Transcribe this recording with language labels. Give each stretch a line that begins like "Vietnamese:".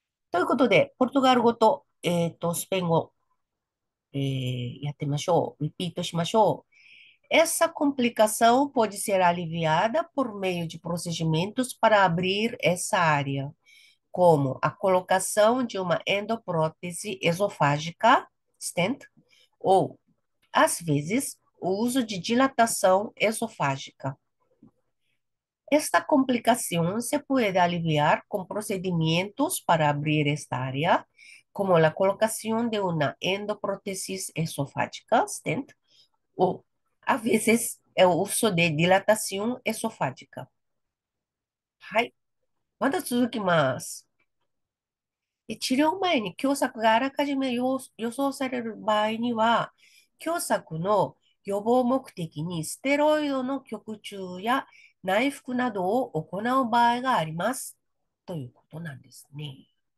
Japanese: ということで、ポルトガル語と、スペイン語、やってみましょう。リピートしましょう。
Portuguese: Essa complicação pode ser aliviada por meio de procedimentos para abrir essa área, como a colocação de uma endoprótese esofágica, stent, ou, às vezes, o uso de dilatação esofágica.
Spanish: Esta complicación se puede aliviar con procedimientos para abrir esta área, como la colocación de una endoprótesis esofágica, stent, o a veces el uso de dilatación esofágica.
Japanese: まだ続きます。治療前に狭窄があらかじめ予想される場合には、狭窄の予防目的にステロイドの局注や内服などを行う場合があります。ということなんですね。